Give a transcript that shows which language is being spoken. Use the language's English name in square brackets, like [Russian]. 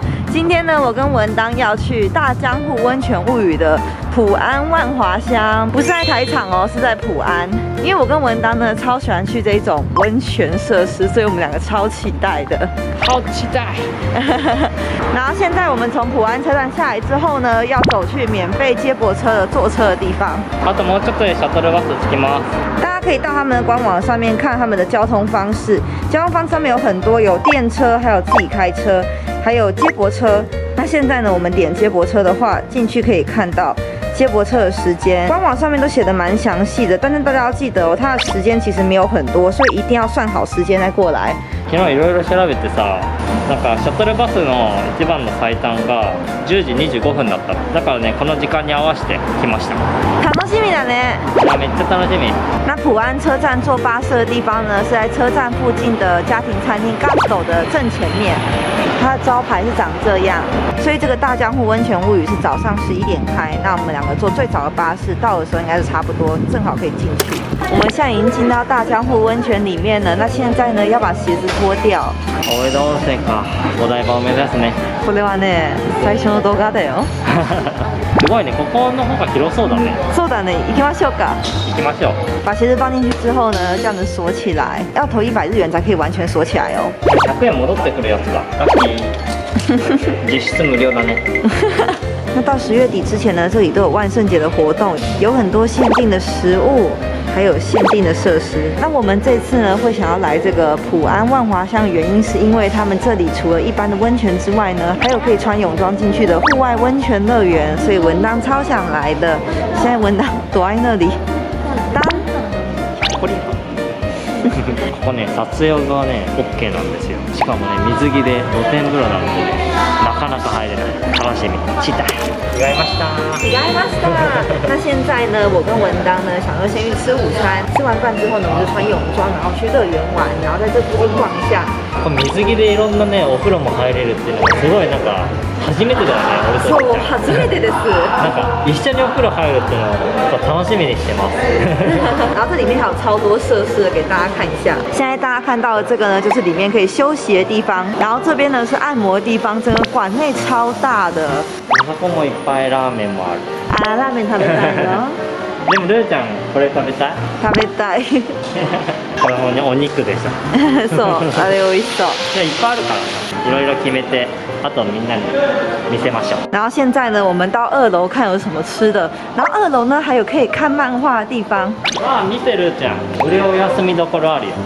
[Chinese] 今天呢，我跟文当要去大江户温泉物语的普安万华乡，不是在台场哦，是在普安。因为我跟文当呢超喜欢去这种温泉设施，所以我们两个超期待的，超期待。然后现在我们从普安车站下来之后呢，要走去免费接驳车的坐车的地方。 [Japanese] あともうちょっとでシャトルバス着きます。 [Chinese] 大家可以到他们的官网上面看他们的交通方式，交通方式上面有很多，有电车，还有自己开车，还有接驳车。那现在呢，我们点接驳车的话，进去可以看到接驳车的时间，官网上面都写的蛮详细的，但是大家要记得哦，它的时间其实没有很多，所以一定要算好时间再过来。 [Japanese] 昨日いろいろ調べてさ、なんかシャトルバスの一番の最短が10時25分だった。だからね、この時間に合わせて来ました。楽しみだね。めっちゃ楽しみ。 [Chinese] 那普安车站坐巴士的地方呢，是在车站附近的家庭餐厅ガストの正前面。它的招牌是长这样，所以这个大江户温泉物语是早上11点开，那我们两个坐最早的巴士到的时候应该是差不多，正好可以进去。我们现在已经进到大江户温泉里面了，那现在呢要把鞋子脱掉。 [Japanese] 大江户温泉か、お台場を目指すね。これはね、最初の動画だよ。すごいね、ここの方が広そうだね。そうだね、行きましょうか。行きましょう。 [Chinese] 把鞋子放进去之后呢，这样子锁起来，要投100日元才可以完全锁起来哦。 [Japanese] 100円戻ってくるやつだ。実質無料だね。 [Chinese] 那到10月底之前呢，这里都有万圣节的活动，有很多限定的食物，还有限定的设施。那我们这次呢，会想要来这个普安万华乡的原因，是因为他们这里除了一般的温泉之外呢，还有可以穿泳装进去的户外温泉乐园，所以文当超想来的。现在文当躲在那里。当。 [Japanese] ここね、撮影がね、OK なんですよ。しかもね、水着で露天風呂なので、なかなか入れない。楽しみ、期待。違いました。違いました。 [Chinese] 那现在呢、我跟文当呢、想要先去吃午餐。吃完饭之后呢、我们就穿泳装、然后去乐园玩、然后在这附近逛一下。 [Japanese] 水着でいろんなね、お風呂も入れるっていうのがすごいなんか初めてだよね、俺と。そう、初めてです。なんか一緒にお風呂入るっていうのを楽しみにしてます。 [Chinese] 然后这里面还有超多设施的，给大家看一下。现在大家看到的这个呢，就是里面可以休息的地方。然后这边呢是按摩的地方，整个馆内超大的。 [Japanese] あそこもいっぱいラーメンもある。あ、ラーメン食べたいの。でもルーちゃんこれ食べたい？食べたい。これもねお肉でしょ。そう、あれ美味しそう。じゃあいっぱいあるからいろいろ決めて、あとみんなに見せましょう。 [Chinese] 然后现在呢、我们到二楼看有什么吃的。然后二楼呢、还有可以看漫画的地方。 [Japanese] あ、見てルーちゃん、無料休みどころあるよ。